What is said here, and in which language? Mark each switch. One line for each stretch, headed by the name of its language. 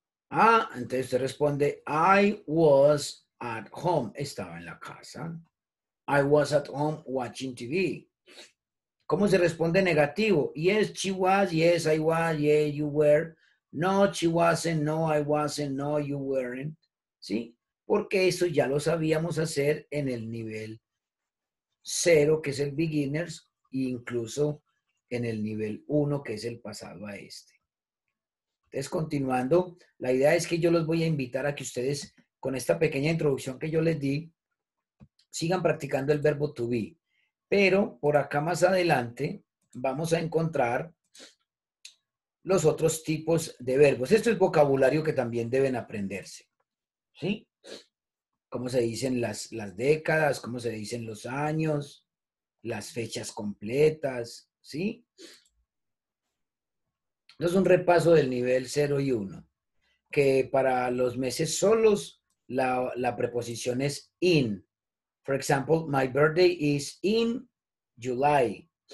Spanish: Ah, entonces usted responde,
English: I was at home.
Spanish: Estaba en la casa.
English: I was at home watching TV.
Spanish: ¿Cómo se responde negativo?
English: Yes, she was. Yes, I was. Yeah, you were. No, she wasn't. No, I wasn't. No, you weren't. ¿Sí?
Spanish: Porque eso ya lo sabíamos hacer en el nivel cero, que es el beginners, e incluso en el nivel uno, que es el pasado a este. Entonces, continuando, la idea es que yo los voy a invitar a que ustedes, con esta pequeña introducción que yo les di, sigan practicando el verbo to be. Pero por acá más adelante vamos a encontrar los otros tipos de verbos. Esto es vocabulario que también deben aprenderse. ¿Sí? ¿Cómo se dicen las décadas? ¿Cómo se dicen los años? Las fechas completas. ¿Sí? Es un repaso del nivel 0 y 1, que para los meses solos la preposición es in.
English: For example, my birthday is in July.